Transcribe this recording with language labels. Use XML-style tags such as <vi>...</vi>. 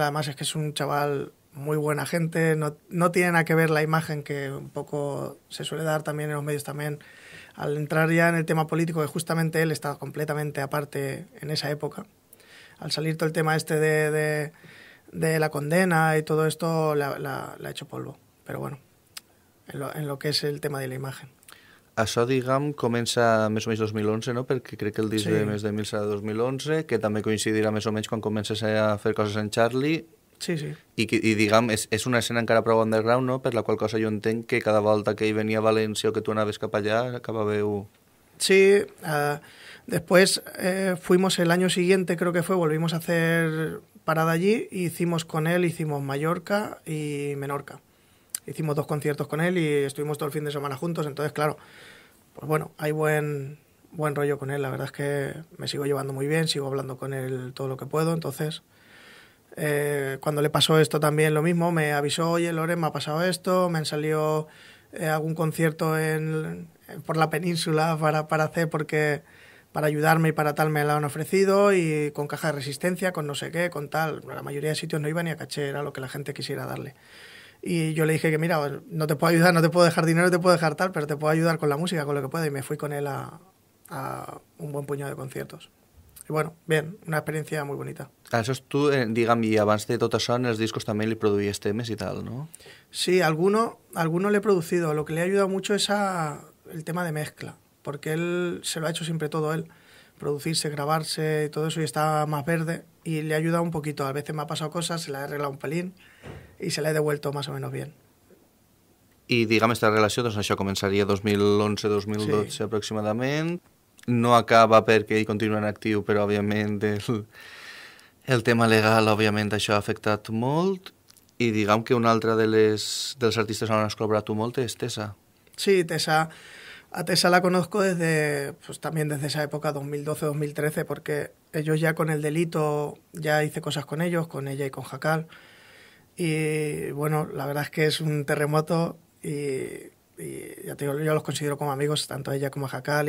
<es>Además es que es un chaval muy buena gente, no tiene nada que ver la imagen que un poco se suele dar también en los medios también. Al entrar ya en el tema político, que justamente él estaba completamente aparte en esa época, al salir todo el tema este de la condena y todo esto la ha hecho polvo, pero bueno, en lo que es el tema de la imagen.</es> <ca>Això, diguem, comença més o menys 2011, no? Perquè crec que el disc sí. De Més de Mil serà 2011, que també coincidirà més o menys quan comences a fer coses en Charlie. Sí, sí. I diguem, és una escena encara prou underground, no? Per la qual cosa jo entenc que cada volta que hi venia a València o que tu anaves cap allà, acaba veu...</ca> <es>Sí, después fuimos el año siguiente, creo que fue, volvimos a hacer... parada allí y hicimos con él Mallorca y Menorca. Hicimos dos conciertos con él y estuvimos todo el fin de semana juntos, entonces claro, pues bueno, hay buen rollo con él, la verdad es que me sigo llevando muy bien, sigo hablando con él todo lo que puedo, entonces cuando le pasó esto también lo mismo, me avisó, oye Loren, me ha pasado esto, me han salido algún concierto por la península para hacer porque... para ayudarme y para tal me la han ofrecido, y con caja de resistencia, con no sé qué, con tal. La mayoría de sitios no iba ni a caché, era lo que la gente quisiera darle. Y yo le dije que, mira, no te puedo ayudar, no te puedo dejar dinero, no te puedo dejar tal, pero te puedo ayudar con la música, con lo que pueda. Y me fui con él a un buen puñado de conciertos. Y bueno, bien, una experiencia muy bonita. Eso es tú, digamos,</es> <ca>y abans de tot això, en els discos també li produïes temes i tal, ¿no?</ca> <es>Sí, alguno le he producido. Lo que le ha ayudado mucho es el tema de mezcla, porque él se lo ha hecho siempre todo él, producirse, grabarse y todo eso, y está más verde, y le ha ayudado un poquito. A veces me ha pasado cosas, se la he arreglado un pelín y se la he devuelto más o menos bien.</es> <ca>I, digam, esta relació, doncs això començaria 2011-2012 sí, aproximadament. No acaba perquè ell continua en actiu, però, òbviament, el tema legal, òbviament, això ha afectat molt. I, digam, que un altre dels artistes on has col·laborat tu molt és Tessa. Sí, Tessa.</ca> <es>A Tessa la conozco desde esa época, 2012-2013, porque ellos ya con El Delito ya hice cosas con ellos, con ella y con Jacal. Y, bueno, la verdad es que es un terremoto y ya te digo, yo los considero como amigos, tanto ella como Jacal.</es>